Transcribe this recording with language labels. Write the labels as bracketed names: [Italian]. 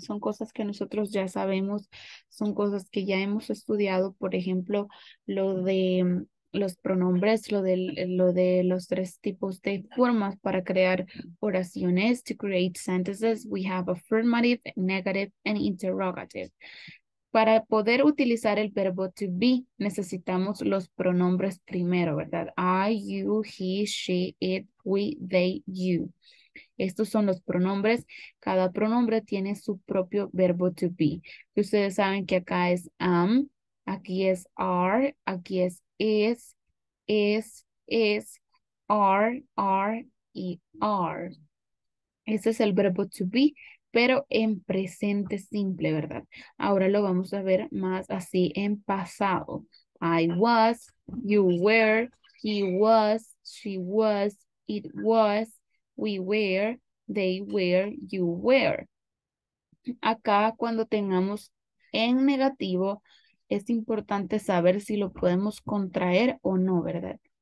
[Spanish] Son cosas que nosotros ya sabemos, son cosas que ya hemos estudiado, por ejemplo, lo de los pronombres, lo de los tres tipos de formas para crear oraciones, [English] to create sentences, we have affirmative, negative, and interrogative. [Spanish] Para poder utilizar el verbo to be, necesitamos los pronombres primero, ¿verdad? [English] I, you, he, she, it, we, they, you. [Spanish] Estos son los pronombres. Cada pronombre tiene su propio verbo to be. Ustedes saben que acá es am, aquí es are, aquí es is, are, y are. Este es el verbo to be, pero en presente simple, ¿verdad? Ahora lo vamos a ver más así en pasado. [English] I was, you were, he was, she was, it was, we were, they were, you were. [Spanish] Acá cuando tengamos en negativo, es importante saber si lo podemos contraer o no, ¿verdad?